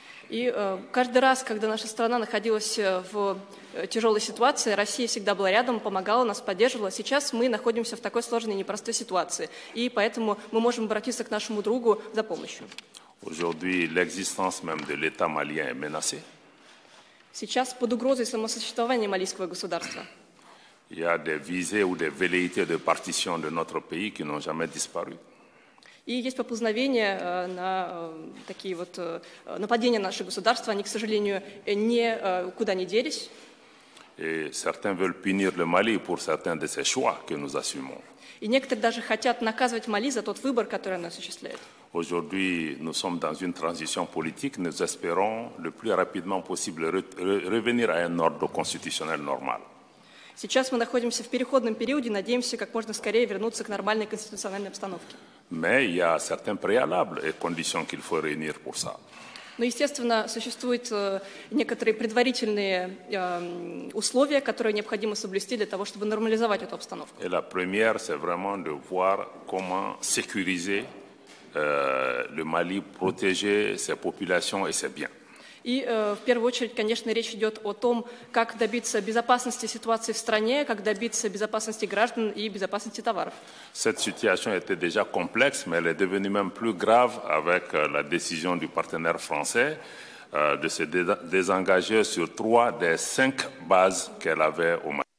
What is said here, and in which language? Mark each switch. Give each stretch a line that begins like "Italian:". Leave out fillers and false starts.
Russian: И каждый раз, когда наша страна находилась в тяжелой ситуации, Россия всегда была рядом, помогала, нас поддерживала. Сейчас мы находимся в такой сложной, непростой ситуации, и поэтому мы можем обратиться к нашему другу за помощью.
French: Aujourd'hui, l'existence même de l'État malien est menacée.
Russian: Сейчас под угрозой самосуществования малийского государства.
French: Il y a des visées ou des velléités de partition de notre pays qui n'ont jamais disparu.
Russian: И есть поползновение на такие вот нападения на наше государство, они, к сожалению, не куда не делись.
French: Certains veulent punir le Mali pour certains de ces choix que nous assumons.
Russian: И некоторые даже хотят наказывать Мали за тот выбор, который оно осуществляет.
French: Aujourd'hui, nous sommes dans une transition politique, nous espérons le plus rapidement possible revenir à un ordre constitutionnel normal.
Russian: Сейчас мы находимся в переходном периоде, надеемся как можно скорее вернуться к нормальной конституциональной обстановке.
French: Mais il y a certains préalables et conditions qu'il faut réunir pour ça.
Russian: Но, естественно, существуют некоторые предварительные условия, которые необходимо соблюсти для того, чтобы нормализовать эту обстановку.
French: Et la première, c'est vraiment de voir comment sécuriser le Mali, protéger ses populations et ses biens.
Russian: И в первую очередь, конечно, речь идет о том, как добиться безопасности ситуации в стране, как добиться безопасности граждан и безопасности товаров.
French: Cette situation était déjà complexe, mais elle est devenue même plus grave avec la décision du partenaire français de se désengager sur trois des cinq bases qu'elle avait au Mali.